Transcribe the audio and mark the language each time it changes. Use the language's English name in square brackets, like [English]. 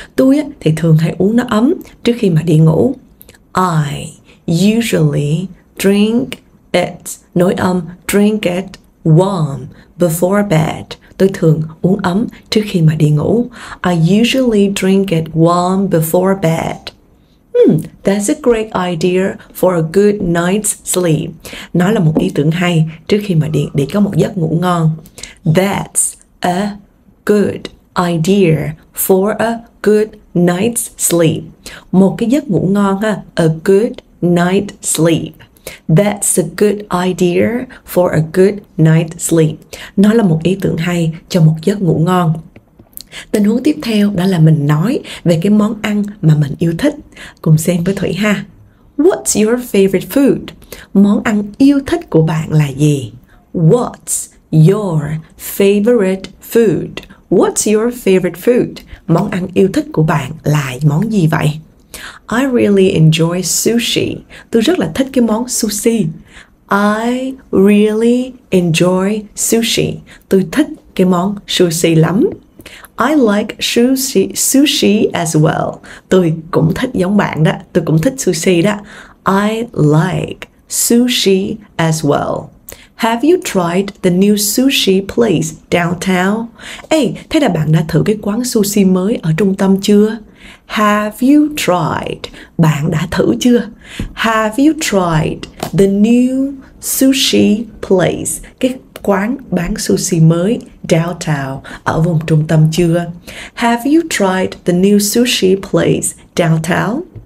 [Vietnamese] Tôi thì thường hay uống nó ấm trước khi mà đi ngủ. [English] I usually drink it. [Vietnamese] Nói âm [English] drink it warm before bed. [Vietnamese] Tôi thường uống ấm trước khi mà đi ngủ. [English] I usually drink it warm before bed. That's a great idea for a good night's sleep. [Vietnamese] Nó là một ý tưởng hay trước khi mà đi có một giấc ngủ ngon. [English] That's a good idea for a good night's sleep. [Vietnamese] Một cái giấc ngủ ngon ha. [English] A good night's sleep. That's a good idea for a good night's sleep. [Vietnamese] Nó là một ý tưởng hay cho một giấc ngủ ngon. Tình huống tiếp theo đó là mình nói về cái món ăn mà mình yêu thích. Cùng xem với Thủy ha. [English] What's your favorite food? [Vietnamese] Món ăn yêu thích của bạn là gì? [English] What's your favorite food? What's your favorite food? [Vietnamese] Món ăn yêu thích của bạn là món gì vậy? [English] I really enjoy sushi. [Vietnamese] Tôi rất là thích cái món sushi. [English] I really enjoy sushi. [Vietnamese] Tôi thích cái món sushi lắm. [English] I like sushi as well. [Vietnamese] Tôi cũng thích giống bạn đó. Tôi cũng thích sushi đó. [English] I like sushi as well. Have you tried the new sushi place downtown? [Vietnamese] Ê, thế là bạn đã thử cái quán sushi mới ở trung tâm chưa? [English] Have you tried? [Vietnamese] Bạn đã thử chưa? [English] Have you tried the new sushi place? [Vietnamese] Cái quán bán sushi mới downtown ở vùng trung tâm chưa? [English] Have you tried the new sushi place downtown?